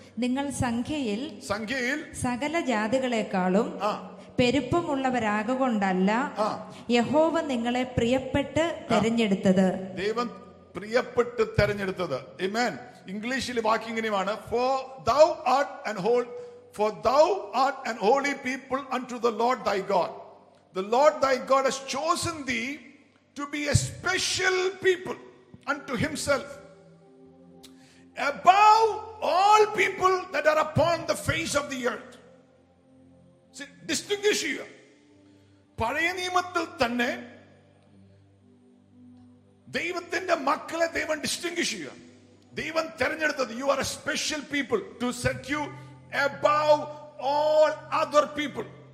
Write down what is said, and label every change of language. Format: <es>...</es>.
<ml>നിങ്ങൾ സംഖ്യയിൽ സകല ജാതികളെക്കാളും പെരുപ്പമുള്ളവരാകൊണ്ടല്ല യഹോവ നിങ്ങളെ പ്രിയപ്പെട്ട് തെരഞ്ഞെടുത്തത്. ദൈവം പ്രിയപ്പെട്ട് തെരഞ്ഞെടുത്തത്. ആമേൻ. ഇംഗ്ലീഷിൽ വാക്ക് ഇങ്ങനെയാണ്,</ml> <en>For thou art an holy people unto the Lord thy God. The Lord thy God has chosen thee to be a special people unto himself above all people that are upon the face of the earth. See, distinguish you.</en> <ml>പഴയ നിയമത്തിൽ തന്നെ ദൈവത്തിന്റെ മക്കളെ ദൈവം distinguish ചെയ്യുക. ദൈവം തിരഞ്ഞെടുത്തത്,</ml> <en>You are a special people to set you above all other people.</en>